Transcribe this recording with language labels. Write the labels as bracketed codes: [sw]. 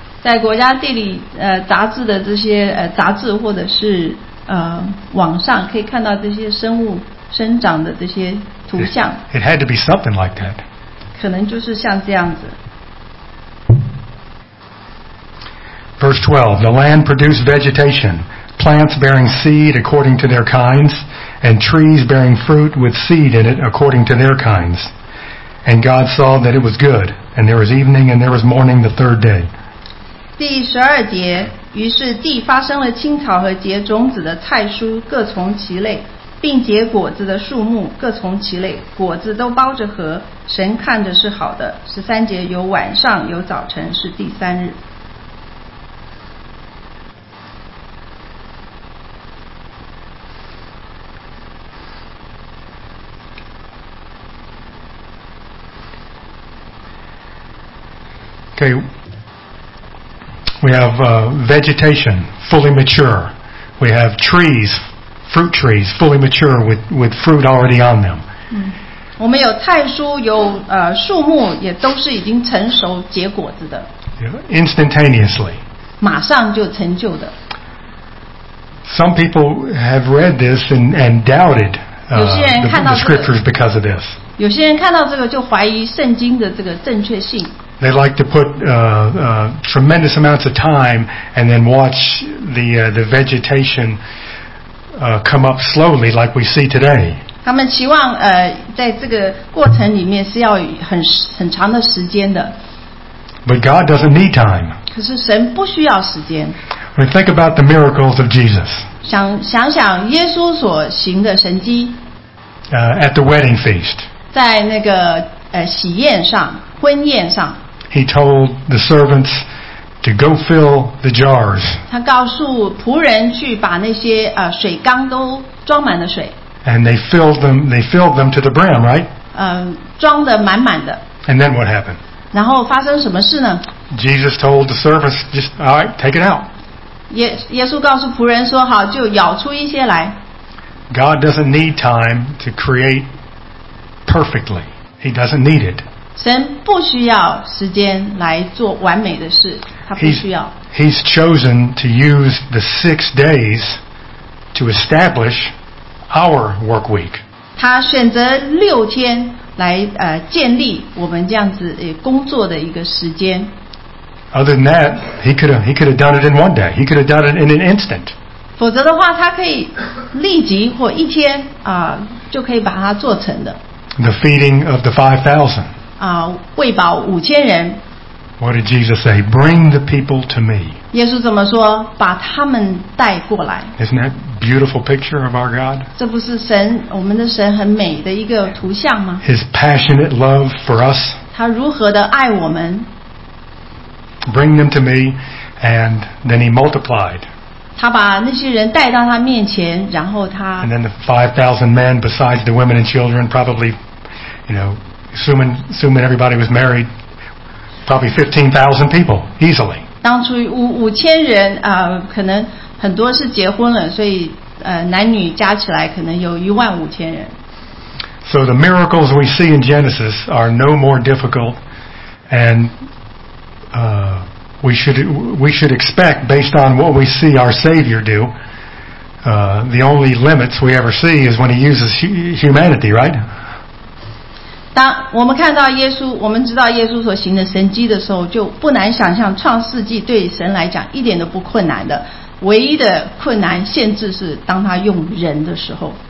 [zh] 在国家地理杂志的这些杂志，或者是网上可以看到这些生物生长的这些图像。 [en] It had to be something like that. [zh] 可能就是像这样子。 [en] Verse 12: The land produced vegetation, plants bearing seed according to their kinds, and trees bearing fruit with seed in it according to their kinds. And God saw that it was good, and there was evening, and there was morning the third day. [zh] 第十二节，于是地发生了青草和结种子的菜蔬，各从其类，并结果子的树木，各从其类，果子都包着核，神看着是好的。十三节，有晚上，有早晨，是第三日。 [en] Okay. We have vegetation fully mature. We have trees, fruit trees fully mature with fruit already on them. [zh] 我们有菜蔬，有树木，也都是已经成熟结果子的。 [en] Instantaneously. [zh] 马上就成就的。 [en] Some people have read this and doubted the scriptures because of this. [zh] 有些人看到这个就怀疑圣经的这个正确性。 [en] They like to put tremendous amounts of time and then watch the vegetation come up slowly like we see today. [zh] 他们期望在这个过程里面是要很长的时间的。 [en] But God doesn't need time. [zh] 可是神不需要时间。 [en] We think about the miracles of Jesus. [zh] 想耶稣所行的神迹。 [en] At the wedding feast. [zh] 在那个喜宴上，婚宴上。 [en] He told the servants to go fill the jars. [zh] 他告诉仆人去把那些水缸都装满了水。 [en] And they filled them to the brim, right? [zh] 装得满满的。 [en] And then what happened? [zh] 然后发生什么事呢？ [en] Jesus told the servants, just, all right, take it out. [zh] 耶稣告诉仆人说，好，就舀出一些来。 [en] God doesn't need time to create perfectly. He doesn't need it. [zh] 神不需要时间来做完美的事，他不需要。 [en] He's chosen to use the 6 days to establish our work week. [zh] 他选择六天来建立我们这样子工作的一个时间。 [en] Other than that, he could have done it in one day. He could have done it in an instant. [zh] 否则的话，他可以立即或一天就可以把它做成的。 [en] The feeding of the 5,000. [zh] 喂饱五千人。 [en] What did Jesus say? Bring the people to me. [zh] 耶稣怎么说？把他们带过来。 [en] Isn't that beautiful picture of our God? [zh] 这不是神，我们的神很美的一个图像吗？ [en] His passionate love for us. [zh] 他如何的爱我们？ [en] Bring them to me, and then he multiplied. [zh] 他把那些人带到他面前，然后他。 [en] And then the 5,000 men, besides the women and children, probably, you know, assuming everybody was married. Probably 15,000 people easily. [zh] 当初五千人可能很多是结婚了，所以男女加起来可能有15,000人。 [en] So the miracles we see in Genesis are no more difficult, and we should expect based on what we see our Savior do. The only limits we ever see is when He uses humanity, right? [zh] 当我们看到耶稣，我们知道耶稣所行的神迹的时候，就不难想象创世纪对神来讲一点都不困难的。唯一的困难限制是当他用人的时候。